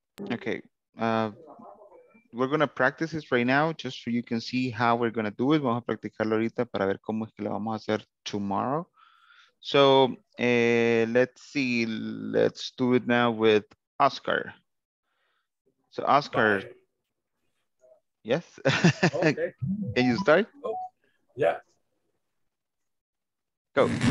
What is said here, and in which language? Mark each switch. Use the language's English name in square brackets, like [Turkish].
[English] Okay, we're going to practice this right now just so you can see how we're going to do it. [Spanish] Vamos a practicarlo ahorita para ver cómo es que lo vamos a hacer tomorrow. [English] So, let's see, let's do it now with Oscar. So, Oscar. Bye. Yes? Okay. Can you start? Yeah. Go.